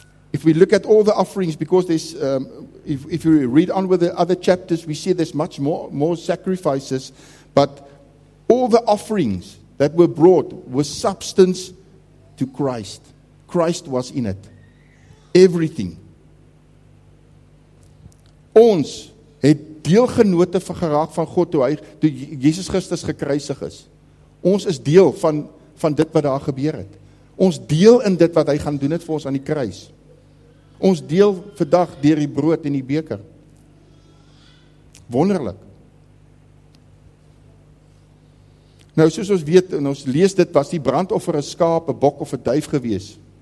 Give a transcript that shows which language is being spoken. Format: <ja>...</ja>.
<en>If we look at all the offerings, because there's, if you read on with the other chapters, we see there's much more sacrifices, but all the offerings that were brought were substance to Christ. Christ was in it. Everything.</en> <af>Ons het deelgenote van geraak van God toe Jesus Christus gekruisig is. Ons is deel van dit wat daar gebeur het. Ons deel in dit wat hy gaan doen het vir ons aan die kruis. Ons deel vandag deur die brood en die beker. Wonderlik. Nou, soos ons weet, en ons lees dit, was die brandoffer 'n skaap, 'n bok of 'n duif gewees.</af>